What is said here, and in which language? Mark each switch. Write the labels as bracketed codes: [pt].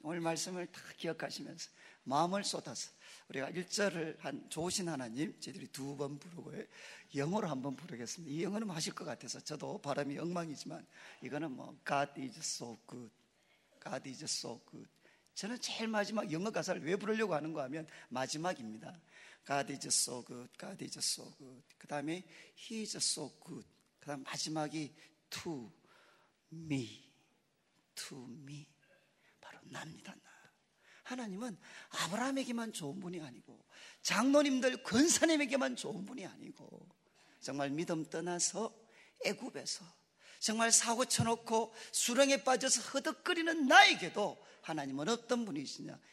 [ko] 오늘 말씀을 다 기억하시면서 마음을 쏟아서 우리가 1절을 한 좋으신 하나님 저희들이 두 번 부르고 영어로 한번 부르겠습니다. 이 영어는 하실 것 같아서 저도 발음이 엉망이지만 이거는 뭐 [en] God is so good, God is so good. [ko] 저는 제일 마지막 영어 가사를 왜 부르려고 하는 거 하면 마지막입니다. [en] God is so good, God is so good. [ko] 그 다음에 [en] He is so good. [ko] 그 다음 마지막이 [en] to me, to me. [ko] 바로 납니다. 나. 하나님은 아브라함에게만 좋은 분이 아니고 장로님들 권사님에게만 좋은 분이 아니고 정말 믿음 떠나서 애굽에서 정말 사고 쳐놓고 수렁에 빠져서 허덕거리는 나에게도 하나님은 어떤 분이시냐?